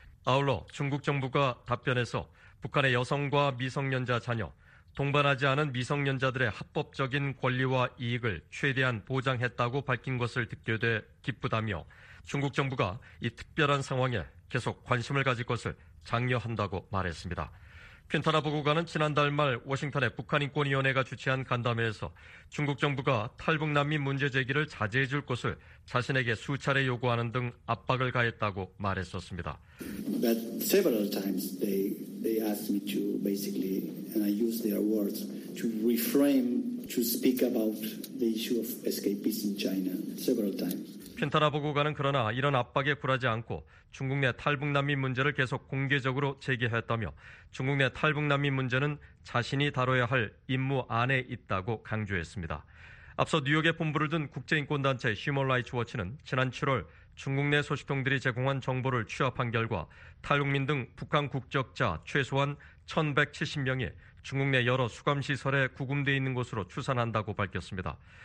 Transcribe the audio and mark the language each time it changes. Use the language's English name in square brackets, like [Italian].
[Korean] 아울러 중국 정부가 답변에서 북한의 여성과 미성년자 자녀, 동반하지 않은 미성년자들의 합법적인 권리와 이익을 최대한 보장했다고 밝힌 것을 듣게 돼 기쁘다며 중국 정부가 이 특별한 상황에 계속 관심을 가질 것을 장려한다고 말했습니다. 퀸타나 보고관은 지난달 말 워싱턴의 북한인권위원회가 주최한 간담회에서 중국 정부가 탈북난민 문제 제기를 자제해 줄 것을 자신에게 수차례 요구하는 등 압박을 가했다고 말했었습니다. [English] But several times they asked me to basically, and I used their words, to reframe, to speak about the issue of escapism in China several times. [Korean] 퀸타나 보고관은 그러나 이런 압박에 굴하지 않고 중국 내 탈북난민 문제를 계속 공개적으로 제기했다며 중국 내 탈북난민 문제는 자신이 다뤄야 할 임무 안에 있다고 강조했습니다. 앞서 뉴욕에 본부를 둔 국제인권단체 Human Rights Watch는 지난 7월 중국 내 소식통들이 제공한 정보를 취합한 결과 탈북민 등 북한 국적자 최소한 1,170명이 중국 내 여러 수감시설에 구금돼 있는 것으로 추산한다고 밝혔습니다.